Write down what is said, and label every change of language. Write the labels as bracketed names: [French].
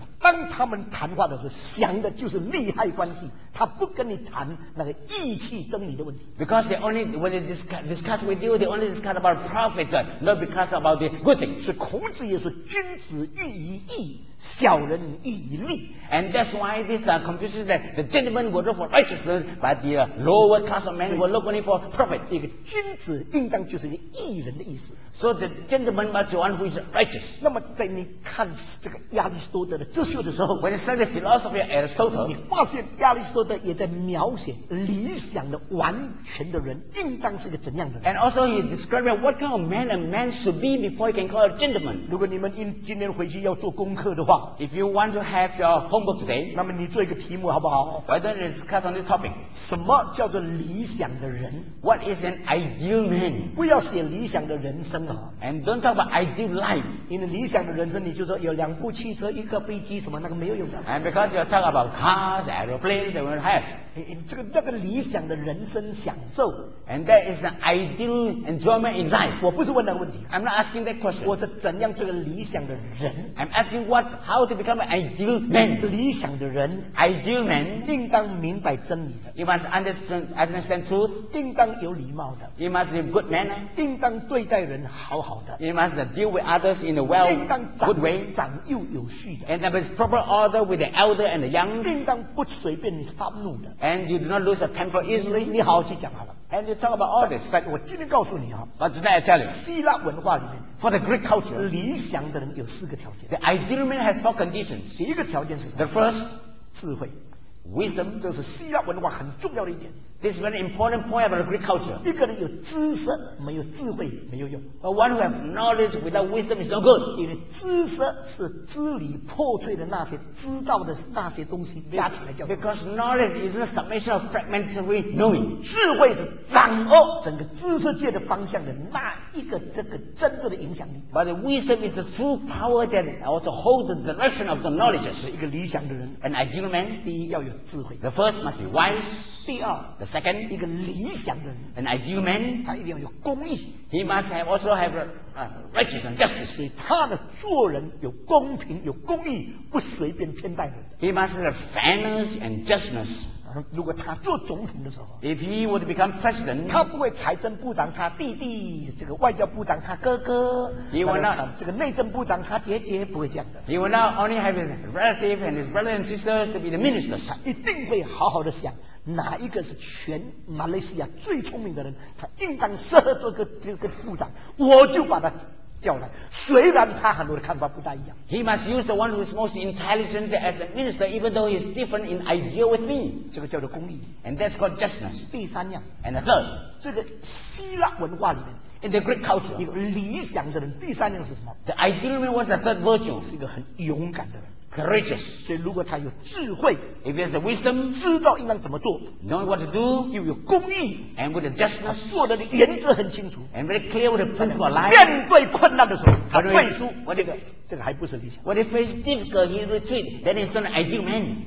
[Chinese] 当他们谈话的时候，想的就是利害关系，他不跟你谈那个义气真理的问题。 [English] Because they only when they discuss with you, they only discuss about profit, not because about the good thing. [Chinese] 所以孔子也说，君子喻于义。小人亦以利 [English] ，and that's why this confuses that the gentleman will look for righteousness, but the lower class of man will look only for profit. [Chinese] 这个君子应当就是一个义人的意思。 [English] So the gentleman must be one who is righteous. [Chinese] 那么在你看这个亚里士多德的哲学的时候 [English] ，when you study philosophy of Aristotle, [Chinese] 你发现亚里士多德也在描写理想的完全的人应当是个怎样的人。 [English] And also he described what kind of man a man should be before he can call a gentleman. [Chinese] 如果你们今天回去要做功课的。 [English] If you want to have your homework today, [Chinese] 那么你做一个题目好不好？ [English] Why don't you discuss on this topic? [Chinese] 什么叫做理想的人？ [English] What is an ideal man? [Chinese] 不要写理想的人生啊。 [English] And don't talk about ideal life. [Chinese] 因为理想的人生，你就说有两部汽车，一个飞机，什么那个没有用的。 [English] And because you talk about cars, aeroplanes, they won't have. [Chinese] 这个那个理想的人生享受。 [English] And that is the ideal enjoyment in life. [Chinese] 我不是问那个问题。 [English] I'm not asking that question. [Chinese] 我是怎样做个理想the人。 [English] I'm asking what how to become an ideal man. [Chinese] 理想的人 [English] ideal man [Chinese] 应当明白真理的。 [English] You must understand truth. [Chinese] 应当有礼貌的。 [English] You must be a good manner. [Chinese] 应当对待人好好的。 [English] You must deal with others in a well good way. [Chinese] 应当长幼有序的。 [English] And have a proper order with the elder and the young. [Chinese] 应当不随便发怒的。 [English] And you do not lose your temper easily. [Chinese] 你好好去讲好了。 [English] And you talk about all this. [Chinese] 我今天告诉你啊。 [English] But today I tell you. [Chinese] 希腊文化里面。 [English] For the Greek culture. [Chinese] 理想的人有四个条件。 [English] The ideal man has four conditions. [Chinese] 第一个条件是什么？ [English] The first. [Chinese] 智慧。 [English] Wisdom. [Chinese] 这是希腊文化很重要的一点。 [English] This is an important point about the Greek culture. [Chinese] 一个人有知识，没有智慧，没有用。 [English] But one who has knowledge without wisdom is no good. [Chinese] 因为知识是支离破碎的那些知道的那些东西加起来叫。 [English] Because knowledge is a summation of fragmentary knowing. [Chinese] 智慧是掌握整个知识界的方向的那一个这个真正的影响力。 [English] But the wisdom is the true power that also holds the direction of the knowledge. [Chinese] 是一个理想的人 [English] ，an ideal man. [Chinese] 第一要有智慧。 [English] The first must be wise. [Chinese] 第二。 [English] The second, [Chinese] 一个理想的人 [English] an ideal man, [Chinese] 他一定要有公义。 [English] He must have also have righteousness and justice. [Chinese] 所以他的做人有公平，有公义，不随便偏待人。 [English] He must have fairness and justness. [Chinese] 如果他做总统的时候 [English] ，If he would become president, [Chinese] 他不会财政部长他弟弟，这个外交部长他哥哥 [English] ，He will not [Chinese] 这个内政部长他姐姐，不会这样的。 [English] He will not only have his relative and his brothers and sisters to be the ministers. [Chinese] 他一定会好好的想。哪一个是全马来西亚最聪明的人？他应当适合做个这个部长，我就把他叫来。虽然他和我的看法不大一样。 [English] He must use the one who is most intelligent as a minister, even though he is different in idea with me. [Chinese] 这个叫做公义。 [English] And that's called justness. [Chinese] 第三样。 [English] And the third. [Chinese] 这个希腊文化里面。 [English] In the Greek culture. [Chinese] 一个理想的人，第三样是什么 [English] ？The ideal man was the third virtue. [Chinese] 是一个很勇敢的人。 [English] courageous. [Chinese] 所以如果他有智慧， [English] if he has the wisdom, [Chinese] 知道应当怎么做， [English] know what to do, [Chinese] 又有公义， [English] and with the justice, [Chinese] 他做的原则很清楚， [English] and very clear with the principle of life, [Chinese] 面对困难的时候他退出， [English] what [Chinese] if, 这个还不是理想。 [English] When he faces difficult, he retreat, then he's not an ideal man.